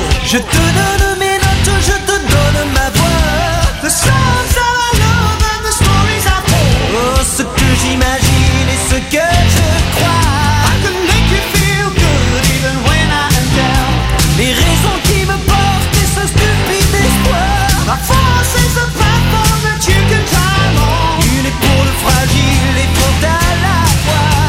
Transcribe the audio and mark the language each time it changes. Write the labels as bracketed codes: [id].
[fr] Je te donne mes notes, je te donne ma voix. [en] The songs that I love and the stories I tell. [fr] Oh, ce que j'imagine et ce que je crois. [en] I can make you feel good even when I am down. [fr] Les raisons qui me portent et ce stupide espoir. [en] My force is a platform that you can climb on. [fr] Une épaule fragile et forte à la fois.